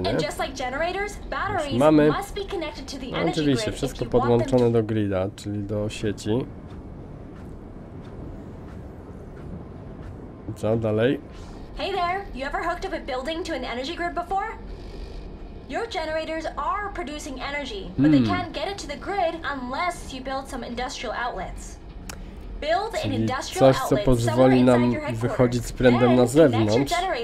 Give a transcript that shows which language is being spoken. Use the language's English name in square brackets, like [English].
[English] Oh, and just like generators, batteries must be connected to the energy grid. [Polish] Oczywiście, wszystko podłączone do grida, czyli do sieci. Co dalej? [English] Hey there, you ever hooked up a building to an energy grid before? Your generators are producing energy, but they can't get it to the grid unless you build some industrial outlets. Build an industrial outlet. [Polish] Coś, co pozwoli nam wychodzić z prędem na zewnątrz.